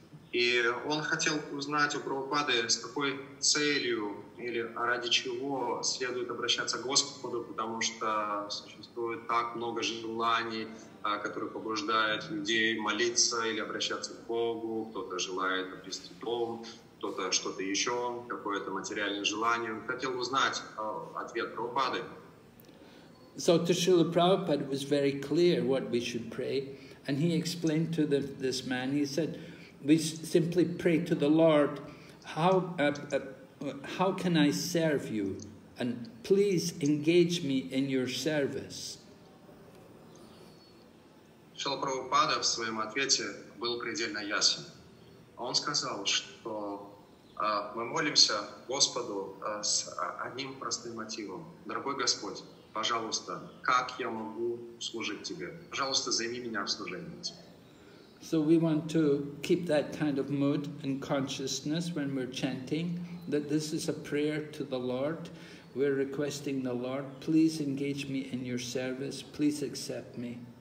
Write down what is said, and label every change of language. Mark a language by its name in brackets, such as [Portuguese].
[Russian] И он хотел узнать у Прабхупады, с какой целью или ради чего следует обращаться к Господу, потому что существует так много желаний, которые побуждают людей молиться или обращаться к Богу. Кто-то желает обрести дом, кто-то что-то еще, какое-то материальное желание. Он хотел узнать ответ Прабхупады. [English] So to Srila Prabhupada was very clear what we should pray, and he explained to this man, he said, we simply pray to the Lord, how can I serve you? And please engage me in your service. [Russian] Шрила Прабхупада в своем ответе был предельно ясен. Он сказал, что мы молимся Господу с одним простым мотивом. Дорогой Господь, пожалуйста, как я могу служить Тебе? Пожалуйста, займи меня в служении Тебе. [English] So we want to keep that kind of mood and consciousness when we're chanting, that this is a prayer to the Lord. We're requesting the Lord, please engage me in your service, please accept me.